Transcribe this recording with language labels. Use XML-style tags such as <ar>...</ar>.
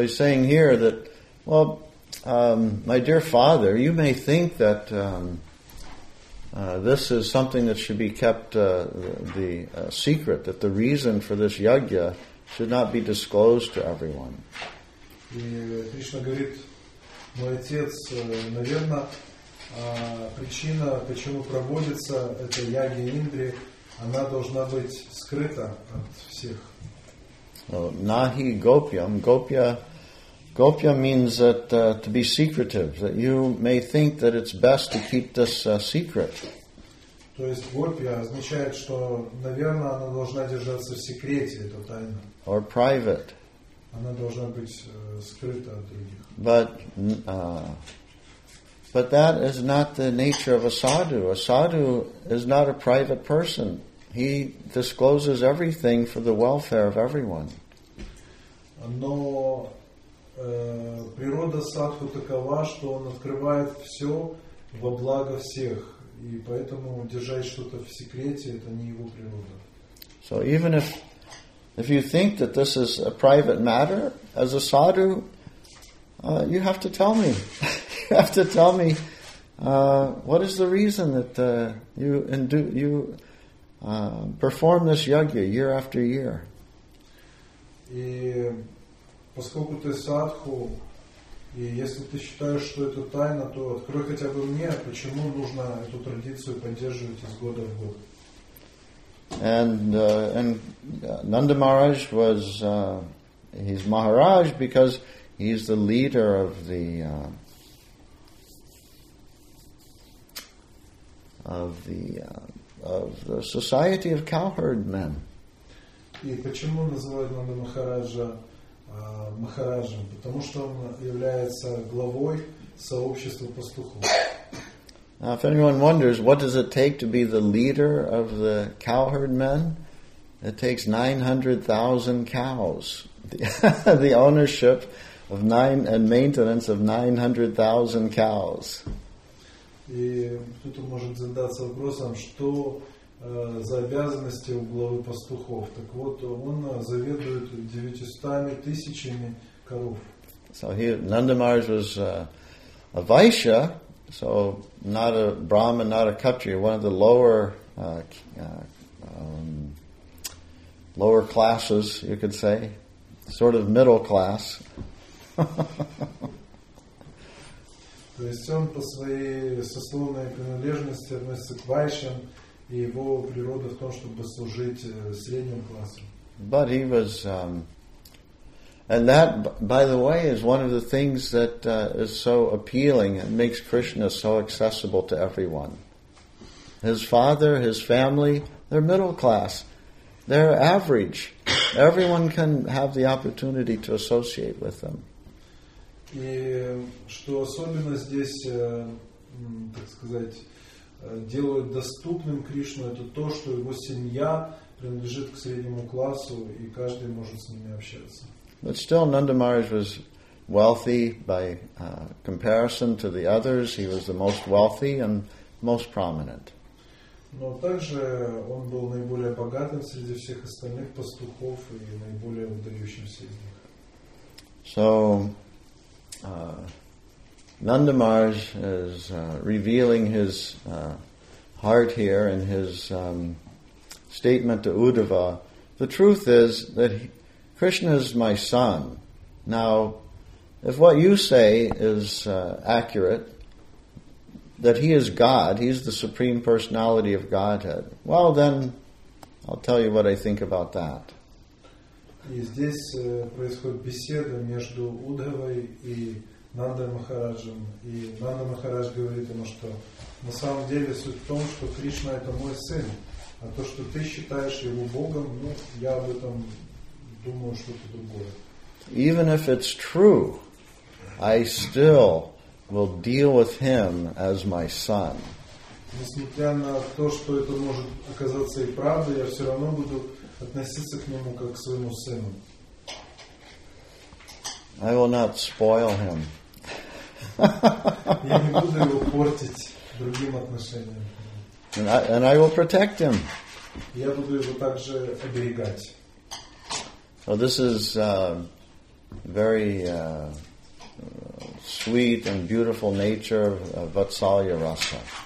<en>he's saying here that, well, my dear father, you may think that this is something that should be kept secret, that the reason for this yajna should not be disclosed to everyone.</en> <ru>И Кришна говорит, мой отец, наверное, причина, почему проводится эта яги Индри, она должна быть скрыта от всех.</ru> <sa>Nahi gopyam.</sa> <en>Gopya means that to be secretive, that you may think that it's best to keep this secret.</en> <ru>То есть гопья означает, что, наверное, она должна держаться в секрете, эта тайна.</ru> <en>Or private.</en> <ru>Она должна быть скрыта от других.</ru> <en>But that is not the nature of a sadhu. A sadhu is not a private person. He discloses everything for the welfare of everyone.</en> <ru>Но природа садху такова, что он открывает все во благо всех. И поэтому держать что-то в секрете, это не его природа.</ru> <en>So even if you think that this is a private matter, as a sadhu, you have to tell me. You have to tell me what is the reason that you perform this yajna year after year.</en> <ru>И поскольку ты садху, и если ты считаешь, что это тайна, то открой хотя бы мне, почему нужно эту традицию поддерживать из года в год.</ru> <en>And Nanda Maharaj was he's Maharaj because he's the leader of the society of cowherd men.</en> <ru>И почему называют Нанда Махараджа Махараджем, потому что он является главой сообщества пастухов.</ru> <en>Now, if anyone wonders, what does it take to be the leader of the cowherd men? It takes 900,000 cows. The ownership of nine and maintenance of 900,000 cows.</en> <ru>И кто-то может задаться вопросом, что за обязанности у главы пастухов. Так вот, он заведует 900 тысячами коров.</ru> <en>So here, Nanda Maharaj was a Vaishya, so not a Brahmin, not a Kshatriya, one of the lower classes, you could say, sort of middle class.</en> <ru>То есть он по своей сословной принадлежности относится к Вайшьям, и его природа в том, чтобы служить средним классом.</ru> <en>But he was, and that, by the way, is one of the things that is so appealing and makes Krishna so accessible to everyone. His father, his family, they're middle class. They're average. Everyone can have the opportunity to associate with them.</en> <ru>И что особенно здесь, так сказать, делают доступным Кришну, это то, что его семья принадлежит к среднему классу, и каждый может с ними общаться.</ru> <en>But still, Nanda Maharaj was wealthy by comparison to the others. He was the most wealthy and most prominent.</en> <ru>Но также он был наиболее богатым среди всех остальных пастухов и наиболее выдающимся из них.</ru> <en>So, Nanda Maharaj is revealing his heart here in his statement to Uddhava. The truth is that Krishna is my son. Now, if what you say is accurate, that he is God, he's the Supreme Personality of Godhead, well then, I'll tell you what I think about that.</en> <ru>И здесь происходит беседа между Удхавой и Нанда Махараджем. И Нанда Махарадж говорит ему, что на самом деле суть в том, что Кришна это мой сын, а то, что ты считаешь его Богом, ну, я об этом думаю что-то другое.</ru> <en>Even if it's true, I still will deal with him as my son.</en> <ru>Несмотря на то, что это может оказаться и правдой, я все равно буду относиться к нему как к своему сыну.</ru> <en>I will not spoil him.</en> <ru>Я не буду его портить другим отношениям.</ru> <en>And I will protect him.</en> <ru>Я буду его также оберегать.</ru> <en>So this is very sweet and beautiful nature of Vatsalya Rasa.</en>